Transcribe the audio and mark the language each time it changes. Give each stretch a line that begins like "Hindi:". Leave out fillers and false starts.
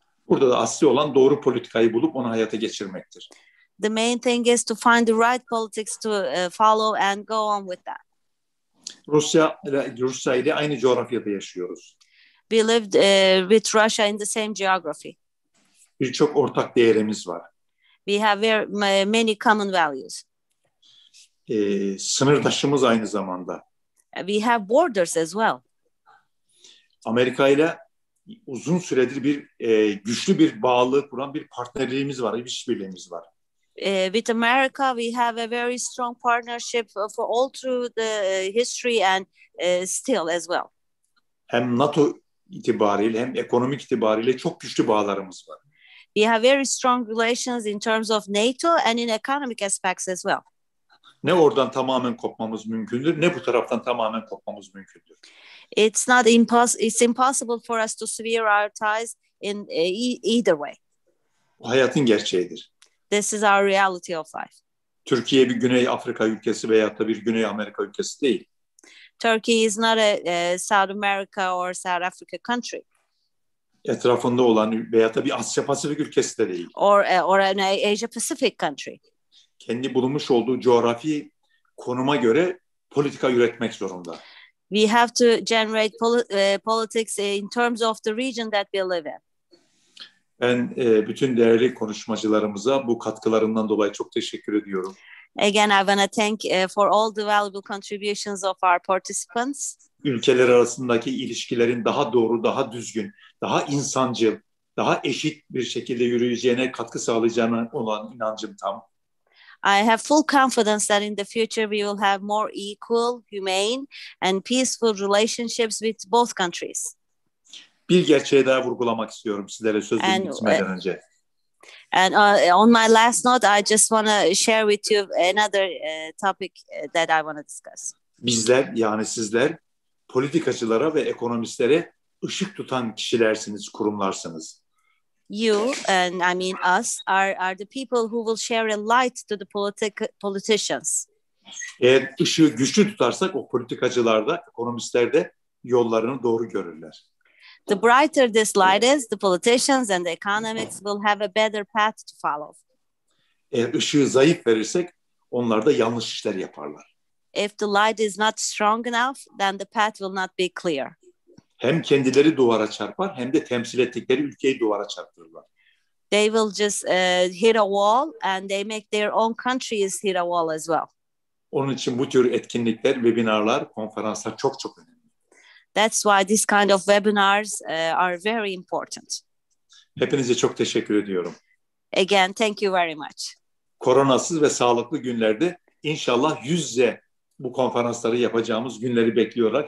Turkish: Burada da asli olan doğru politikayı bulup onu hayata geçirmektir.
English: The main thing is to find the right politics to follow and go on with that.
Turkish: Rusya ile aynı coğrafyada yaşıyoruz.
English: We lived with Russia in the same geography.
Turkish: Birçok ortak değerimiz var.
English: We have many common values.
Turkish: Sınırdaşımız aynı zamanda.
English: We have borders as well.
Turkish: Amerika ile uzun süredir bir güçlü bir bağlılığı kuran bir partnerliğimiz var, bir işbirliğimiz var.
English: With America, we have a very strong partnership for all through the history and still as well.
Turkish: Hem NATO itibariyle hem ekonomik itibariyle çok güçlü bağlarımız var.
English: We have very strong relations in terms of NATO and in economic aspects as well.
Turkish: Ne oradan tamamen kopmamız mümkündür, ne bu taraftan tamamen kopmamız mümkündür.
English: It's impossible for us to sever our ties in either way.
Turkish: Bu hayatın gerçeğidir.
English: This is our reality of life.
Turkish: Türkiye bir Güney Afrika ülkesi veya da bir Güney Amerika ülkesi değil.
English: Turkey is not a South America or South Africa country.
Turkish: Etrafında olan veya da bir Asya Pasifik ülkesi de değil.
English: Or an Asia Pacific country.
Turkish: Kendi bulunmuş olduğu coğrafi konuma göre politika üretmek zorunda.
English: We have to generate politics in terms of the region that we live in.
Turkish: Ben bütün değerli konuşmacılarımıza bu katkılarından dolayı çok teşekkür ediyorum.
English: Again, I want to thank for all the valuable contributions of our participants.
Turkish: Ülkeler arasındaki ilişkilerin daha doğru, daha düzgün, daha insancıl, daha eşit bir şekilde yürüyeceğine katkı sağlayacağına olan inancım tam.
English: I have full confidence that in the future we will have more equal, humane and peaceful relationships with both countries.
Turkish: Bir gerçeği daha vurgulamak istiyorum sizlere sözü bitmeden önce.
English: And on my last note, I just want to share with you another topic that I want to discuss.
Turkish: Bizler, yani sizler, politikacılara ve ekonomistlere ışık tutan kişilersiniz, kurumlarsınız.
English: You, and I mean us, are the people who will share a light to the politicians.
Turkish: Eğer ışığı güçlü tutarsak o politikacılar da, ekonomistler de yollarını doğru görürler.
English: The brighter this light is, the politicians and the economists will have a better path to follow.
Turkish: Eğer ışığı zayıf verirsek onlar da yanlış işler yaparlar.
English: If the light is not strong enough, then the path will not be clear.
Turkish: Hem kendileri duvara çarpar, hem de temsil ettikleri ülkeyi duvara çarptırırlar.
English: They will just hit a wall and they make their own countries hit a wall as well.
Turkish: Onun için bu tür etkinlikler, webinarlar, konferanslar çok çok önemli.
English: That's why this kind of webinars are very important.
Turkish: Hepinize çok teşekkür ediyorum.
English: Again, thank you very much.
Turkish: Koronasız ve sağlıklı günlerde inşallah yüz yüze bu konferansları yapacağımız günleri bekliyorlar.